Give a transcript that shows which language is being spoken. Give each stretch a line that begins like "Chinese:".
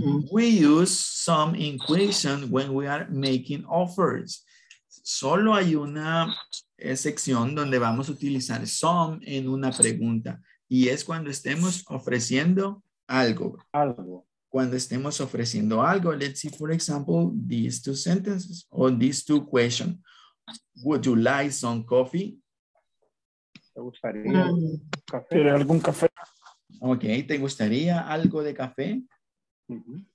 English: We use some in question when we are making offers.
Spanish: Solo hay una sección donde vamos a utilizar some en una pregunta y es cuando estemos ofreciendo algo.
English: Let's see, for example, these two sentences or these two questions. Would you like some coffee?
Spanish: ¿Te gustaría café? ¿Quieres algún café? Ok, ¿te gustaría algo de café? Uh-huh.